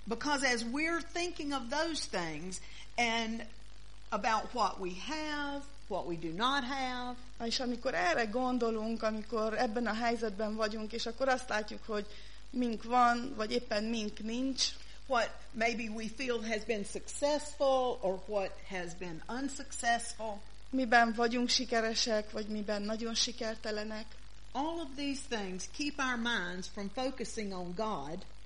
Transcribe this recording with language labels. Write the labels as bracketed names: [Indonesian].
[English] Because as we're thinking of those things and about what we have, what we do not have. [Hungarian] És amikor erre gondolunk, amikor ebben a helyzetben vagyunk, és akkor azt látjuk, hogy mink van, vagy éppen mink nincs. [English] What maybe we feel has been successful, or what has been unsuccessful. [Hungarian] Miben vagyunk sikeresek, vagy miben nagyon sikertelenek. [English] All of these things keep our minds from focusing on God.